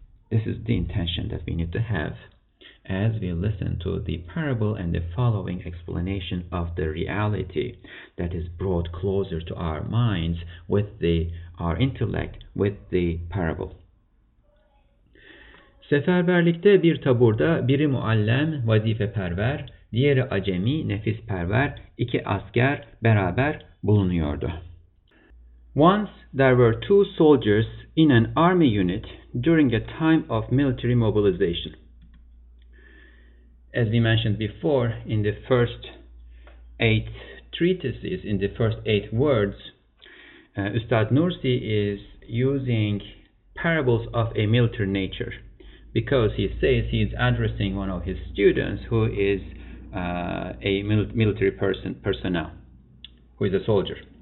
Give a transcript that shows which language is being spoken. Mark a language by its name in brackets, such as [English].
[English] This is the intention that we need to have as we listen to the parable and the following explanation of the reality that is brought closer to our minds with our intellect with the parable. [Turkish] Seferberlikte bir taburda biri muallem, vazife perver, diğeri acemi, nefis perver, iki asker beraber bulunuyordu. [English] Once there were two soldiers in an army unit during a time of military mobilization. As we mentioned before, in the first eight treatises, in the first eight words, Ustad Nursi is using parables of a military nature, because he says he is addressing one of his students who is a military personnel, who is a soldier.